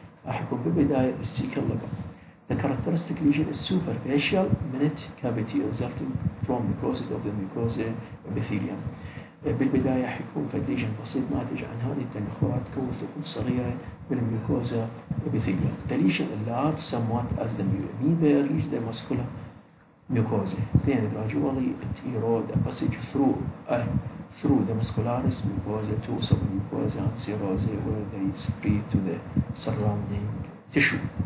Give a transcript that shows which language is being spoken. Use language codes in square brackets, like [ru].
[ar] راح يكون بالبداية بالcecal level. [en] The characteristic lesion is superficial minute cavity resulting from necrosis of the mucosa epithelium. [ar] بالبداية حيكون في ليجن بسيط ناتج عن هذه التنخرات تكون ثقوب صغيرة بالميوكوزا epithelium. [en] The lesion is large somewhat as the amoeba reach the muscular mucosa. Then gradually it erode a passage through the muscularis mucosa to submucosa and serosa where they secrete to the surrounding tissue.